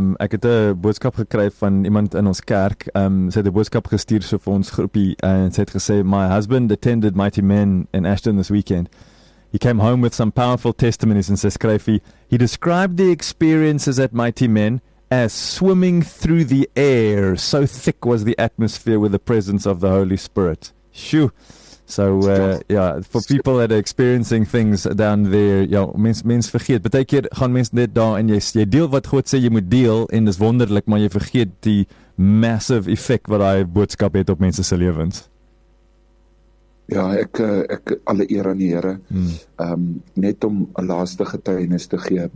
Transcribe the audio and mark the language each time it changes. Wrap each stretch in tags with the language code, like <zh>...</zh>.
<af>Ek het 'n boodskap gekry van iemand in ons kerk. Sy het 'n boodskap gestuur so vir ons groepie en sy het gesê,</af> <en>"My husband attended Mighty Men in Ashton this weekend. He came home with some powerful testimonies," and says, "He described the experiences at Mighty Men as swimming through the air. So thick was the atmosphere with the presence of the Holy Spirit." Shoo. So for people that are experiencing things down there,</en> <af>ja, mens vergeet. Baie keer gaan mens net daar en jy deel wat God sê jy moet deel en dis wonderlik, maar jy vergeet die massive effect wat daai boodskap het op mense se lewens. Ja, ek alle eer aan die Here. Net om 'n laaste getuienis te gee.</af>